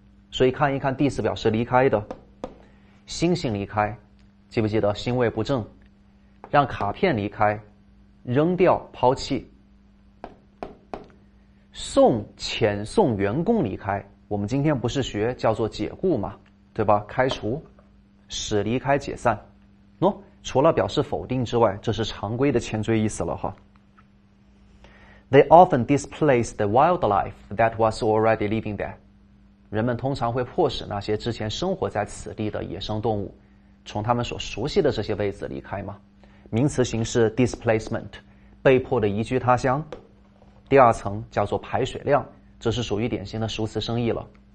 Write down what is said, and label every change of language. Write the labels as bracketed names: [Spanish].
[Chinese] 所以看一看 dis 表示离开的，星星离开，记不记得星位不正，让卡片离开，扔掉抛弃，送遣送员工离开，我们今天不是学叫做解雇嘛，对吧，开除，使离开解散。除了表示否定之外，这是常规的前缀意思了哈。 [English] They often displace the wildlife that was already living there. [Chinese] 人们通常会迫使那些之前生活在此地的野生动物从他们所熟悉的这些位置离开嘛。名词形式 displacement， 被迫的移居他乡。第二层叫做排水量，这是属于典型的熟词生义了。